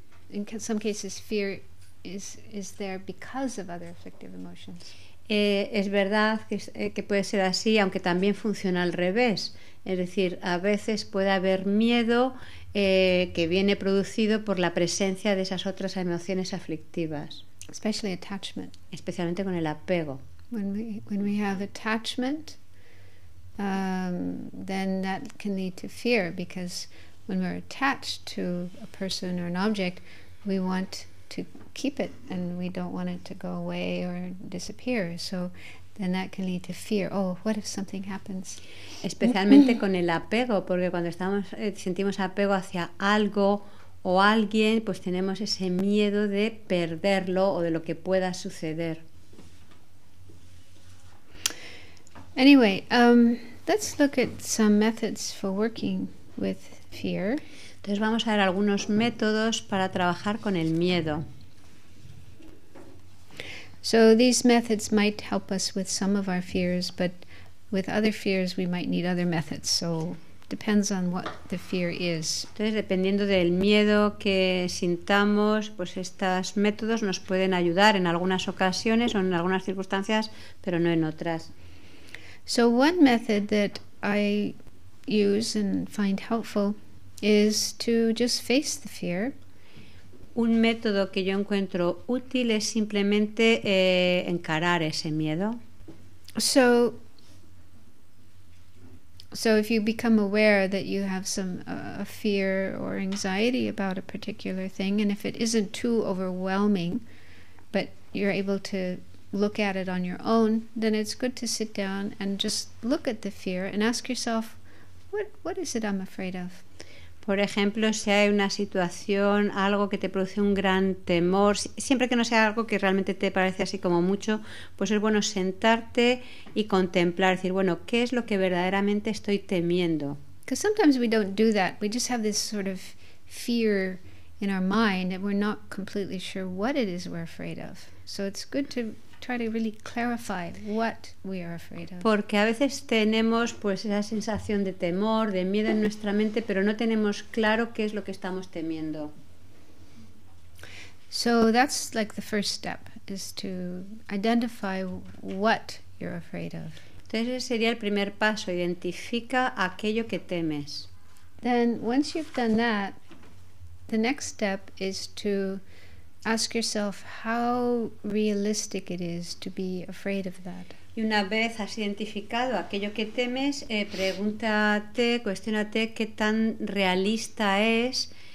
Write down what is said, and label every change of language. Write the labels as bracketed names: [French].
[English] In some cases, fear is there because of other afflictive emotions. [Spanish] Es verdad que puede ser así, aunque también funciona al revés. Es decir, a veces puede haber miedo que viene producido por la presencia de esas otras emociones aflictivas. [English] Especially attachment. [Spanish] Especialmente con el apego. [English] When we have attachment, then that can lead to fear, because when we're attached to a person or an object, we want to keep it and we don't want it to go away or disappear, so then that can lead to fear. Oh, what if something happens? [Spanish] Especialmente con el apego, porque cuando estamos sentimos apego hacia algo o alguien, pues tenemos ese miedo de perderlo o de lo que pueda suceder. [English] Anyway, let's look at some methods for working with fear. [Spanish] Entonces vamos a ver algunos métodos para trabajar con el miedo. [English] So these methods might help us with some of our fears, but with other fears we might need other methods. So depends on what the fear is. [Spanish] Entonces, dependiendo del miedo que sintamos, pues estos métodos nos pueden ayudar en algunas ocasiones o en algunas circunstancias, pero no en otras. [English] So one method that I use and find helpful is to just face the fear. [Spanish] Un método que yo encuentro útil es simplemente encarar ese miedo. [English] So if you become aware that you have some a fear or anxiety about a particular thing, and if it isn't too overwhelming, but you're able to look at it on your own, then it's good to sit down and just look at the fear and ask yourself, what is it I'm afraid of? [Spanish] Por ejemplo, si hay una situación, algo que te produce un gran temor, siempre que no sea algo que realmente te parece así como mucho, pues es bueno sentarte y contemplar, decir, bueno, ¿qué es lo que verdaderamente estoy temiendo? [English] Because sometimes we don't do that. We just have this sort of fear in our mind and we're not completely sure what it is we're afraid of. So it's good to try to really clarify what we are afraid of. [Spanish] Porque a veces tenemos pues esa sensación de temor, de miedo en nuestra mente, pero no tenemos claro qué es lo que estamos temiendo. [English] So that's like the first step, is to identify what you're afraid of. [Spanish] Entonces ese sería el primer paso, identifica aquello que temes. [English] Then once you've done that, the next step is to ask yourself how realistic it is to be afraid of that. [Spanish] Y una vez has identificado aquello que temes, pregúntate, cuestiónate qué tan realista es